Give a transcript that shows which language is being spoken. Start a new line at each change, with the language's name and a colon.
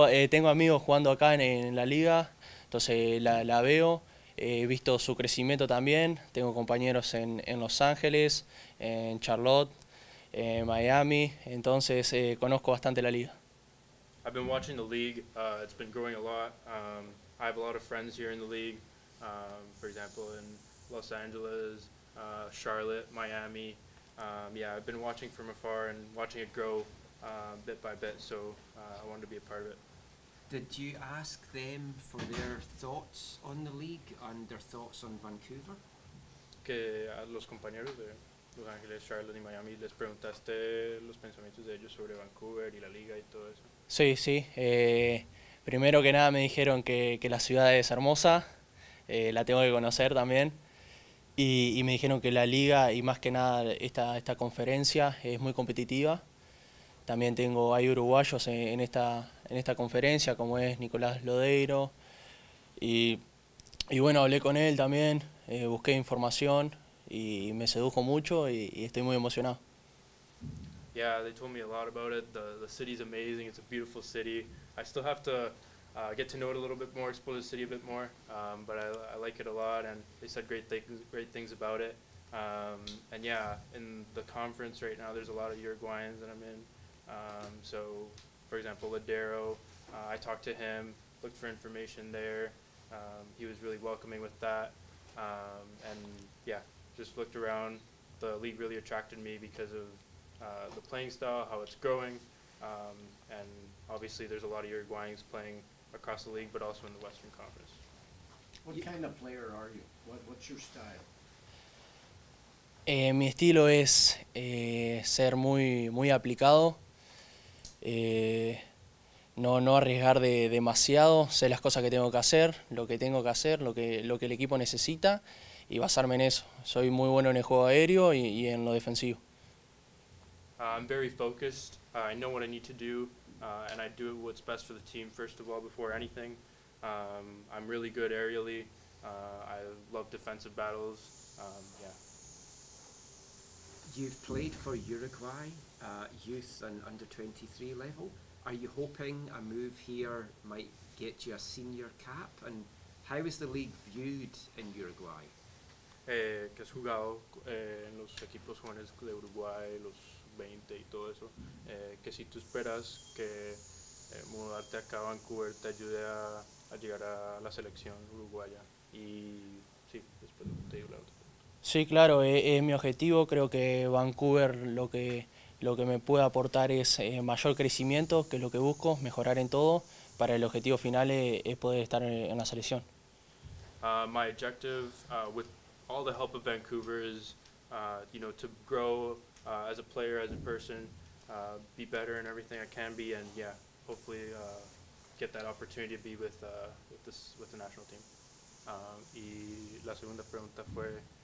Spanish: tengo amigos jugando acá en la liga, entonces la veo. He visto su crecimiento también. Tengo compañeros en Los Ángeles, en Charlotte, Miami, entonces conozco bastante la liga.
English: I've been watching the league, it's been growing a lot. I have a lot of friends here in the league, for example in Los Angeles, Charlotte, Miami. Yeah, I've been watching from afar and watching it grow bit by bit, so I wanted to be a part of it. Did you ask them for their thoughts on the league and their thoughts on Vancouver?
Spanish: Que a los compañeros de Los Ángeles, Charlotte y Miami, les preguntaste los pensamientos de ellos sobre Vancouver y la liga y todo eso. Sí, sí. Primero que nada me dijeron que la ciudad es hermosa, la tengo que conocer también, y me dijeron que la liga y más que nada esta conferencia es muy competitiva. También hay uruguayos en esta conferencia, como es Nicolás Lodeiro, y bueno, hablé con él también, busqué información, y me sedujo mucho y estoy muy emocionado.
English: Yeah, they told me a lot about it. The city's amazing. It's a beautiful city. I still have to get to know it a little bit more, explore the city a bit more. But I like it a lot, and they said great things about it. And yeah, in the conference right now, there's a lot of Uruguayans that I'm in. So, for example, Ladero, I talked to him, looked for information there. He was really welcoming with that. And yeah. Just looked around, the league really attracted me because of the playing style, how it's growing, and obviously there's a lot of Uruguayans playing across the league, but also in the Western Conference. What kind of player are you? What's your style?
Spanish: Mi estilo es ser muy, muy aplicado, no arriesgar demasiado, sé las cosas que tengo que hacer, lo que tengo que hacer, lo que el equipo necesita, y basarme en eso. Soy muy bueno en el juego aéreo y en lo defensivo.
English: I'm very focused. I know what I need to do, and I do what's best for the team first of all before anything. I'm really good aerially. I love defensive battles. Yeah. You've played for Uruguay, youth and under 23 level. Are you hoping a move here might get you a senior cap? And how is the league viewed in Uruguay?
Spanish: Que has jugado en los equipos jóvenes de Uruguay, los 20 y todo eso, que si tú esperas que mudarte acá a Vancouver te ayude a llegar a la selección uruguaya. Y sí, después te digo la otra. Sí, claro, es mi objetivo. Creo que Vancouver lo que me puede aportar es mayor crecimiento, que es lo que busco, mejorar en todo. Para el objetivo final es poder estar en la selección.
English: My objective with all the help of Vancouver is, you know, to grow as a player, as a person, be better in everything I can be, and yeah, hopefully get that opportunity to be with the national team.
Spanish: Y la segunda pregunta fue,